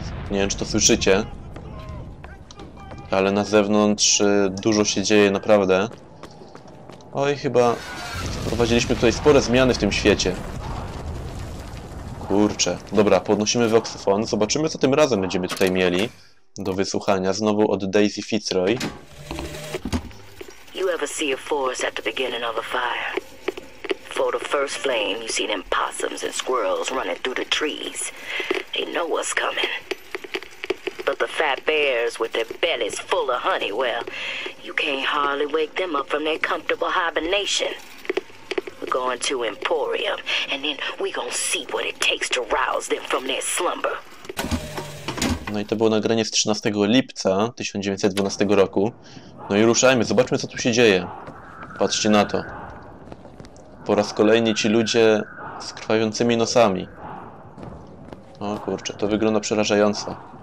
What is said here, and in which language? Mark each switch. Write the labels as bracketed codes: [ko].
[pl] Nie wiem, czy to słyszycie, ale na zewnątrz dużo się dzieje, naprawdę. Oj, chyba wprowadziliśmy tutaj spore zmiany w tym świecie. Kurczę. Dobra, podnosimy voxofon. Zobaczymy, co tym razem będziemy tutaj mieli do wysłuchania. Znowu od Daisy Fitzroy. [en] You ever see a forest at the beginning of a fire? Before the first flame, you see them possums and squirrels running through the trees. They know what's coming. But the fat bears with their bellies full of honey, well, you can't hardly wake them up from their comfortable hibernation. We're going to Emporium, and then we're gonna see what it takes to rouse them from their slumber. [pl] No i to było nagranie z 13 lipca 1912 roku. No i ruszajmy, zobaczmy, co tu się dzieje. Patrzcie na to. Po raz kolejny ci ludzie z krwawiącymi nosami. O kurczę, to wygląda przerażająco.